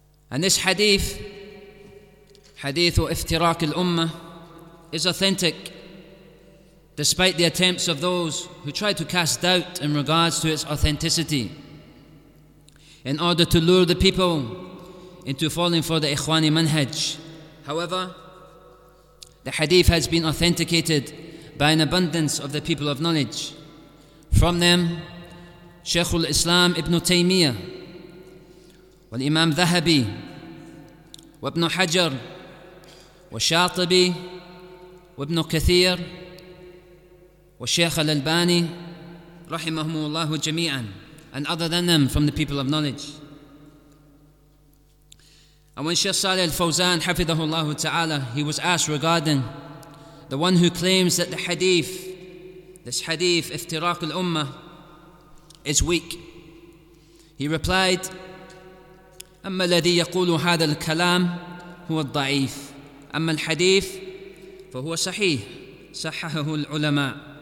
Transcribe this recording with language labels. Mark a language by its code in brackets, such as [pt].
[en] And this hadith, Hadith Iftiraq al-Ummah, is authentic despite the attempts of those who try to cast doubt in regards to its authenticity in order to lure the people into falling for the Ikhwani manhaj. However, the hadith has been authenticated by an abundance of the people of knowledge. From them, Shaykhul Islam Ibn Taymiyyah, wal Imam Dhahabi, وابن حجر والشاطبي وابن كثير والشيخ الألباني [ar] رحمهم الله جميعا. [en] And other than them, from the people of knowledge. And when Shaykh Saleh al-Fawzan [ar] حفظه الله تعالى, [en] he was asked regarding the one who claims that the hadith, this hadith Iftiraq al-Ummah, is weak, he replied, [ar] أما الذي يقول هذا الكلام هو الضعيف أما الحديث فهو صحيح صححه العلماء.